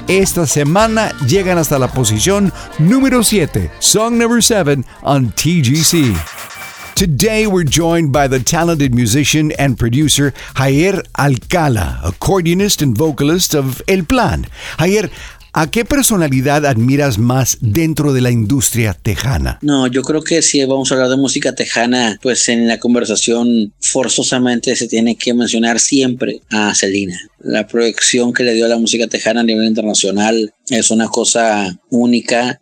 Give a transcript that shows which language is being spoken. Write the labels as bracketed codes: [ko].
[es] Esta semana llegan hasta la posición número 7, [en] Song Number 7 on TGC. Today we're joined by the talented musician and producer Jair Alcala, accordionist and vocalist of El Plan. [es] Jair, ¿a qué personalidad admiras más dentro de la industria tejana? No, yo creo que si vamos a hablar de música tejana, pues en la conversación forzosamente se tiene que mencionar siempre a Selena. La proyección que le dio a la música tejana a nivel internacional es una cosa única.